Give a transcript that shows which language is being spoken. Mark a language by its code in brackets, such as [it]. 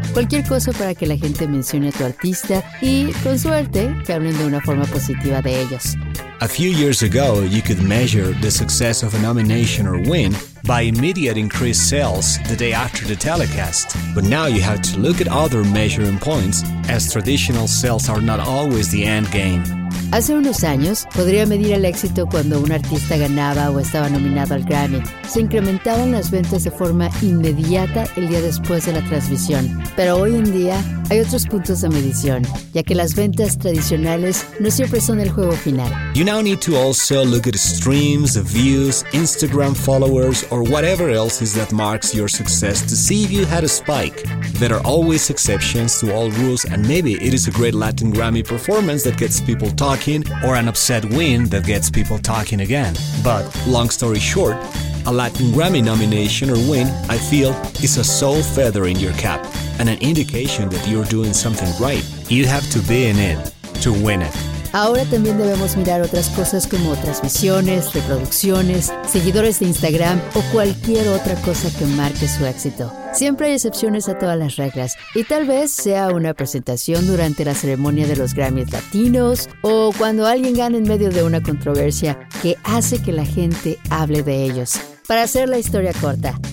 [es] Cualquier cosa para que la gente mencione a tu artista y, con suerte, que hablen de una forma positiva de ellos. [en] A few years ago, you could measure the success of a nomination or win by immediate increased sales the day after the telecast. But now you have to look at other measuring points, as traditional sales are not always the end game. [es] Hace unos años, podría medir el éxito cuando un artista ganaba o estaba nominado al Grammy. Se incrementaban las ventas de forma inmediata el día después de la transmisión. Pero hoy en día, hay otros puntos de medición, ya que las ventas tradicionales no siempre son el juego final. [en] You now need to also look at streams, views, Instagram followers, or whatever else is that marks your success to see if you had a spike. There are always exceptions to all rules, and maybe it is a great Latin Grammy performance that gets people talking, or an upset win that gets people talking again. But, long story short, a Latin Grammy nomination or win, I feel, is a soul feather in your cap, and an indication that you're doing something right. You have to be in it to win it. [es] Ahora también debemos mirar otras cosas como transmisiones, reproducciones, seguidores de Instagram o cualquier otra cosa que marque su éxito. Siempre hay excepciones a todas las reglas y tal vez sea una presentación durante la ceremonia de los Grammys Latinos o cuando alguien gane en medio de una controversia que hace que la gente hable de ellos. Para hacer la historia corta,